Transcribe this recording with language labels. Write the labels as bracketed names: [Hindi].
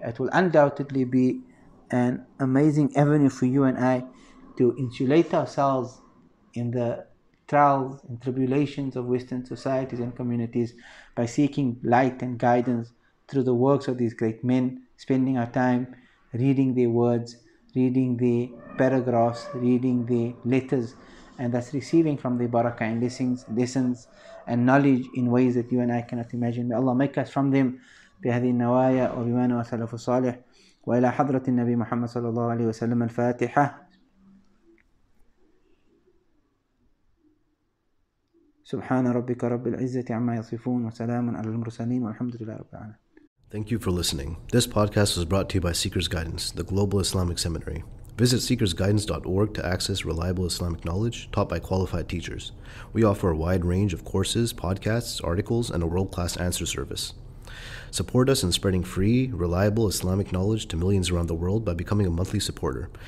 [English] It will undoubtedly be an amazing avenue for you and I to insulate ourselves in the trials and tribulations of Western societies and communities by seeking light and guidance through the works of these great men, spending our time reading their words, reading the paragraphs, reading the letters, and thus receiving from the barakah and lessons and knowledge in ways that you and I cannot imagine. May Allah make us from them. [Arabic] بهذه النوايا وبما نوى السلف الصالح وإلى حضرة النبي محمد صلى الله عليه وسلم الفاتحة. سبحان ربك رب العزة عما يصفون وسلام على المرسلين والحمد لله رب العالمين. [English] Thank you for listening. This podcast was brought to you by Seekers Guidance, the Global Islamic Seminary. Visit seekersguidance.org to access reliable Islamic knowledge taught by qualified teachers. We offer a wide range of courses, podcasts, articles, and a world-class answer service. Support us in spreading free, reliable Islamic knowledge to millions around the world by becoming a monthly supporter.